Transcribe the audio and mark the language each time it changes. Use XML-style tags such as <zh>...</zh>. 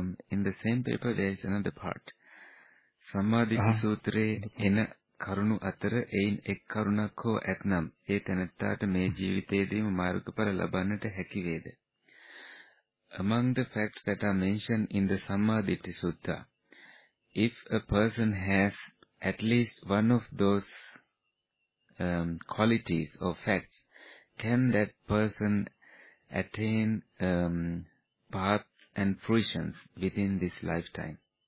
<en>In the same paper, there is another part.</en> <si>Samadhi Sutre in a කරුණු අතර එයින් එක් කරුණක් හෝ ඇතනම් ඒ තැනැත්තාට මේ ජීවිතයේදීම මාර්ගඵල ලබන්නට හැකි වේද?</si> <en>Among the facts that are mentioned in the Sammaditti Sutta, if a person has at least one of those qualities or facts, can that person attain path and fruition within this lifetime?</en>